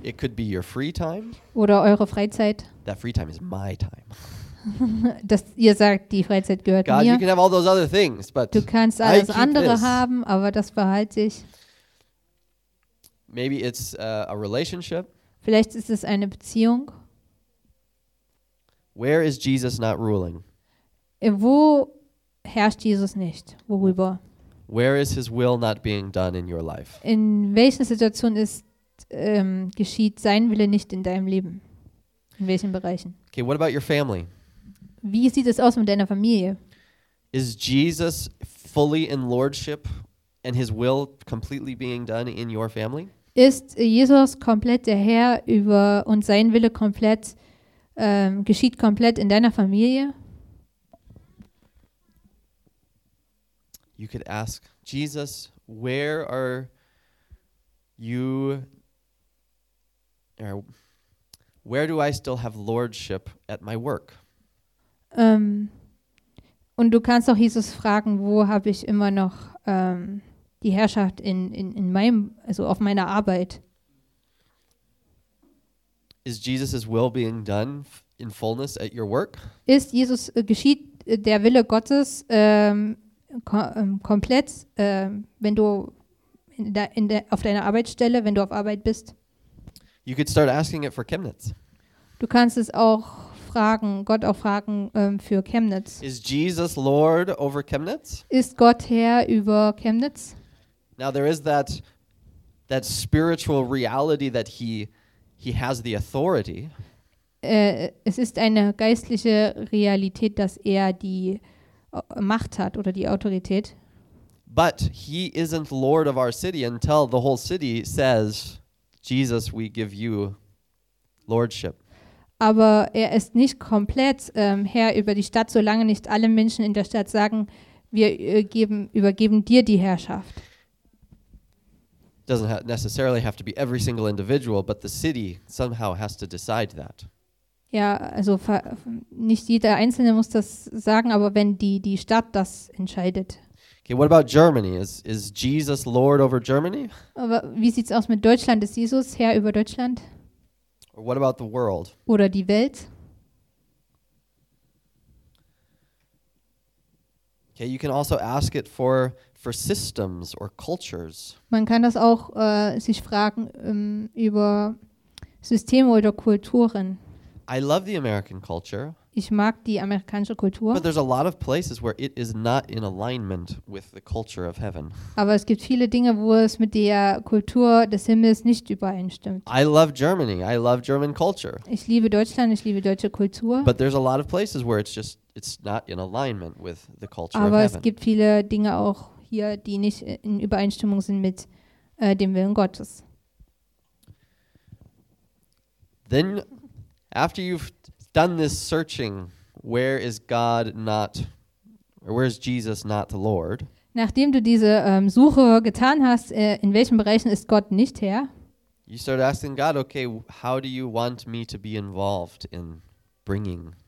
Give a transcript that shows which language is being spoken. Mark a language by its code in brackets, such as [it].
[en] It could be your free time. [de] Oder eure Freizeit. [en] That free time is my time. [de] Dass ihr sagt, die Freizeit gehört [en] God, [de] mir. [en] You can have all those other things, but [de] du kannst alles andere haben, aber das behalte ich. [en] Maybe it's a relationship. [de] Vielleicht ist es eine Beziehung. [en] Where is Jesus not ruling? [de] Wo herrscht Jesus nicht? Worüber? [en] Where is his will not being done in your life? [de] In welcher Situation ist geschieht sein Wille nicht in deinem Leben? In welchen Bereichen? [en] Okay, what about your family? [de] Wie sieht es aus mit deiner Familie? [en] Is Jesus fully in lordship and his will completely being done in your family? [de] Ist Jesus komplett der Herr über und sein Wille komplett geschieht komplett in deiner Familie? [en] You could ask Jesus, where are you? Where do I still have lordship at my work? [de] Und du kannst auch Jesus fragen, wo habe ich immer noch die Herrschaft in meinem, also auf meiner Arbeit? [en] Is Jesus' will being done in fullness at your work? [de] Ist Jesus geschieht der Wille Gottes komplett, wenn du auf deiner Arbeitsstelle, wenn du auf Arbeit bist. [en] You could start asking it for Chemnitz. [de] Du kannst es auch fragen, Gott auch fragen für Chemnitz. [en] Is Jesus Lord over Chemnitz? [de] Ist Gott Herr über Chemnitz? [en] Now there is that spiritual reality that he has the authority. [de] Es ist eine geistliche Realität, dass er die Macht hat oder die Autorität. [en] But he isn't Lord of our city until the whole city says, Jesus, we give you lordship. [de] Aber er ist nicht komplett Herr über die Stadt, solange nicht alle Menschen in der Stadt sagen, wir übergeben dir die Herrschaft. [en] Doesn't necessarily have to be every single individual, but the city somehow has to decide that. [de] Ja, also nicht jeder Einzelne muss das sagen, aber wenn die Stadt das entscheidet. [en] Okay, what about Germany? Is Jesus Lord over Germany? [de] Aber wie sieht's aus mit Deutschland? Ist Jesus Herr über Deutschland? [en] Or what about the world? [de] Oder die Welt? [en] Okay, you can also ask it for systems or cultures. [de] Man kann das auch sich fragen über Systeme oder Kulturen. [en] I love the American culture. [de] Ich mag die amerikanische Kultur. [en] But there's a lot of places where it is not in alignment with the culture of heaven. [de] Aber es gibt viele Dinge, wo es mit der Kultur des Himmels nicht übereinstimmt. [en] I love Germany. I love German culture. [de] Ich liebe Deutschland, ich liebe deutsche Kultur. [en] But there's a lot of places where it's not in alignment with the culture [de] Aber [en] of heaven. [de] Aber es gibt viele Dinge auch hier, die nicht in Übereinstimmung sind mit dem Willen Gottes. [en] Then after you've done this searching, where is God not, or where is Jesus not the Lord? [de] Nachdem du diese Suche getan hast, in welchen Bereichen ist Gott nicht Herr? [en] You start asking God, okay, how do you want me to be involved in bringing